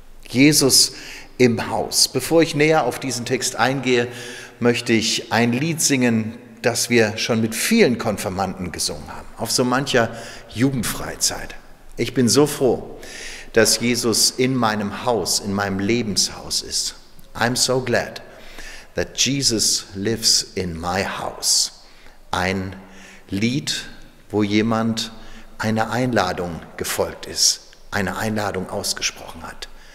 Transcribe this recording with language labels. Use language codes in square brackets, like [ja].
[de] Jesus im Haus. Bevor ich näher auf diesen Text eingehe, möchte ich ein Lied singen, das wir schon mit vielen Konfirmanden gesungen haben, auf so mancher Jugendfreizeit. Ich bin so froh, dass Jesus in meinem Haus, in meinem Lebenshaus ist. [en] I'm so glad that Jesus lives in my house. [de] Ein Lied, wo jemand einer Einladung gefolgt ist, eine Einladung ausgesprochen hat.